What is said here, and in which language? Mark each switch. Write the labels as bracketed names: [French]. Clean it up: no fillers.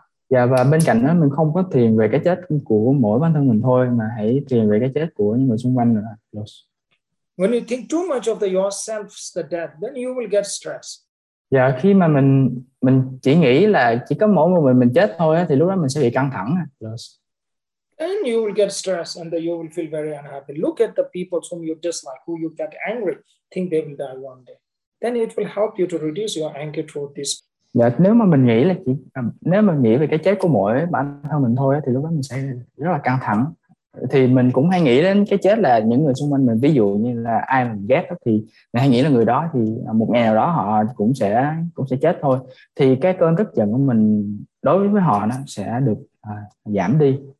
[Vietnamese] Dạ, và bên cạnh đó mình không có thiền về cái chết của mỗi bản thân mình thôi, mà hãy thiền về cái chết của những người xung quanh nữa. [English] Yes. When you think too much of the yourself, the death, then you will get stress. [Vietnamese] Dạ, khi mà mình chỉ nghĩ là chỉ có mỗi một mình chết thôi thì lúc đó mình sẽ bị căng thẳng. [English] Yes. And you will get stress and you will feel very unhappy. Look at the people whom you dislike, who you get angry, think they will die one day. Then it will help you to reduce your anger toward this. [Vietnamese] Dạ, nếu mà mình nghĩ là chỉ nếu mà nghĩ về cái chết của mỗi bản thân mình thôi thì lúc đó mình sẽ rất là căng thẳng. Thì mình cũng hay nghĩ đến cái chết là những người xung quanh mình, ví dụ như là ai mình ghét đó, thì mình hay nghĩ là người đó thì một ngày nào đó họ cũng sẽ chết thôi, thì cái cơn tức giận của mình đối với họ nó sẽ được giảm đi.